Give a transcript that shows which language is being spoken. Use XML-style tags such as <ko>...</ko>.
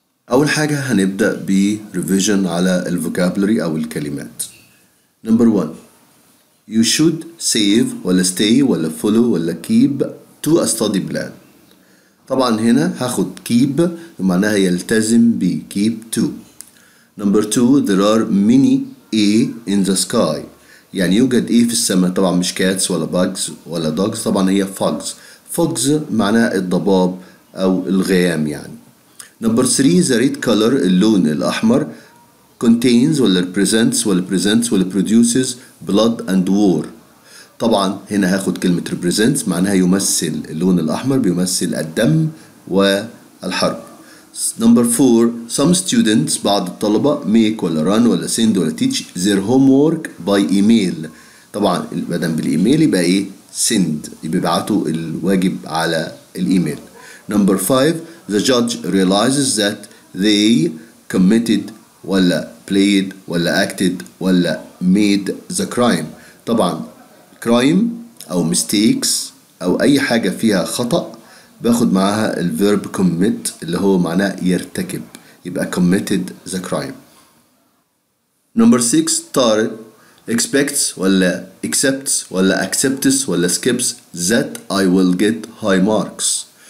<ar>أول حاجة هنبدأ بـ revision على الفوكابلري أو الكلمات.</ar> <en>Number one, you should save</en> <ar>ولا</ar> <en>stay ولا follow ولا keep to a study plan.</en> <ar>طبعا هنا هاخد keep معناها يلتزم بـ keep to.</ar> <en>Number two, there are many A in the sky.</en> <ar>يعني يوجد A في السماء، طبعا مش cats ولا bugs ولا dogs، طبعا هي fogs. Fogs معناها الضباب أو الغيام يعني.</ar> <en>Number three, the red color,</en> <ar>اللون الأحمر,</ar> <en>contains</en> <ar>ولا</ar> <en>represents ولا presents ولا produces blood and war.</en> <ar>طبعا هنا هاخد كلمة represents معناها يمثل، اللون الأحمر بيمثل الدم والحرب.</ar> <en>Number four, some students,</en> <ar>بعض الطلبة,</ar> <en>make</en> <ar>ولا</ar> <en>run ولا send ولا teach their homework by email.</en> <ar>طبعا بدلا بالإيميل يبقى إيه؟ send، يبعتوا الواجب على الإيميل.</ar> <en>Number five, the judge realizes that they committed</en> <ar>ولا</ar> <en>played ولا acted ولا made the crime.</en> <ar>طبعا crime أو mistakes أو أي حاجة فيها خطأ باخد معها ال verb commit اللي هو معناه يرتكب، يبقى</ar> <en>committed the crime. Number six, Tarek expects</en> <ar>ولا</ar> <en>accepts ولا accepts ولا skips that I will get high marks.</en>